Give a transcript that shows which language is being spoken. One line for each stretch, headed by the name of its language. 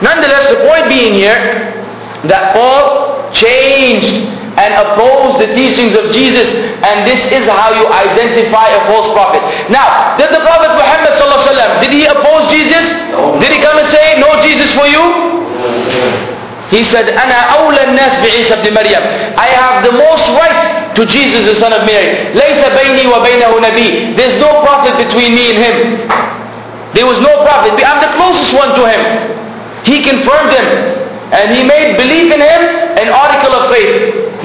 English: Nonetheless, the point being here, that Paul changed and opposed the teachings of Jesus. And this is how you identify a false prophet. Now, did the Prophet Muhammad sallallahu alaihi wasallam, did he oppose Jesus? No. Did he come and say, no Jesus for you? He said,
Arabic: أَنَا أَوْلَى النَّاسِ بِعِيسَى بْنِ مَرْيَمَ.
English: I have the most right to Jesus, the son of Mary.
Arabic: لَيْسَ بَيْنِي وَبَيْنَهُ نَبِيٌّ.
English: There's no prophet between me and him. There was no prophet. I'm the closest one to him. He confirmed him. And he made belief in him an article of faith.